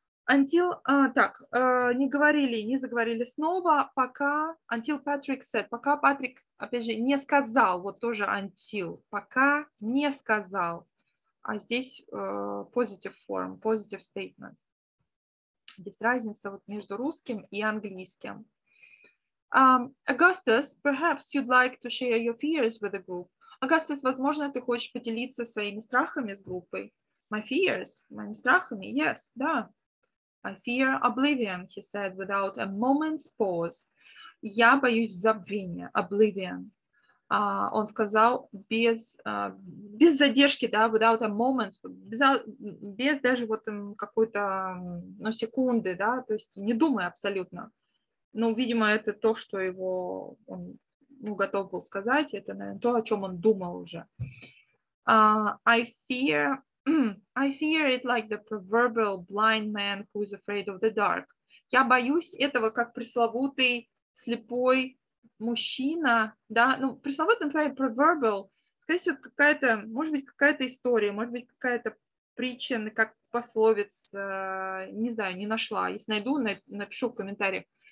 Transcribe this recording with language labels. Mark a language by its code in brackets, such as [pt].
[en] Until, [ru] не говорили, не заговорили снова, пока, [en] until Patrick said, [ru] пока Патрик, опять же, не сказал, вот тоже [en] until, [ru] пока не сказал, а здесь [en] positive form, positive statement. [ru] Здесь разница вот между русским и английским. [en] Augustus, perhaps you'd like to share your fears with the group. [ru] Augustus, возможно, ты хочешь поделиться своими страхами с группой. [en] My fears, [ru] моими страхами, [en] yes, [ru] да. [en] I fear oblivion, he said, without a moment's pause. [ru] Я боюсь забвения, [en] oblivion. [ru] Он сказал без задержки, да, [en] without a moment's, [ru] без даже вот какой-то, ну, секунды, да, то есть не думая абсолютно. Ну, видимо, это то, что его, он, ну, готов был сказать, это, наверное, то, о чем он думал уже. [en] I fear it like the proverbial blind man who is afraid of the dark. [ru] Я боюсь этого, как пресловутый слепой мужчина, да, ну, пресловутый, например, [en] proverbial, [ru] скорее всего, какая-то, может быть, какая-то история, может быть, какая-то притча, как пословица, не знаю, не нашла, если найду, напишу в комментариях.